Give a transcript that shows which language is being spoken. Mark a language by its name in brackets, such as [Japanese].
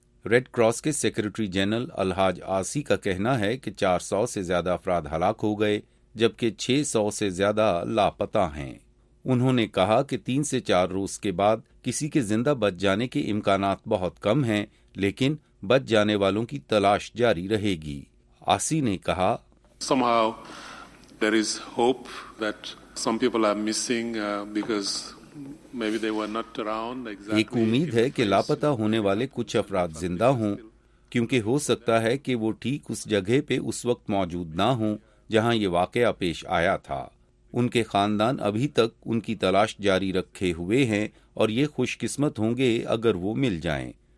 [Urdu] Red cross کے secretary general الحاج آسی کا کہنا ہے کہ 400 سے زیادہ افراد ہلاک ہو گئے جبکہ 600 سے زیادہ لاپتہ ہیں۔ انہوں نے کہا کہ 3 سے 4 روز کے بعد کسی کے زندہ بچ جانے کے امکانات بہت کم ہیں، لیکن بچ جانے والوں کی تلاش جاری رہے گی۔ آسی نے کہا، [English] Somehow there is hope that some people are missing because maybe they were not around. [Urdu] ایک امید ہے کہ لاپتہ ہونے والے کچھ افراد زندہ ہوں، کیونکہ ہو سکتا ہے کہ وہ ٹھیک اس جگہ پہ اس وقت موجود نہ ہوں جہاں یہ واقعہ پیش آیا تھا۔ ان کے خاندان ابھی تک ان کی تلاش جاری رکھے ہوئے ہیں اور یہ خوش قسمت ہوں گے اگر وہ مل جائیں۔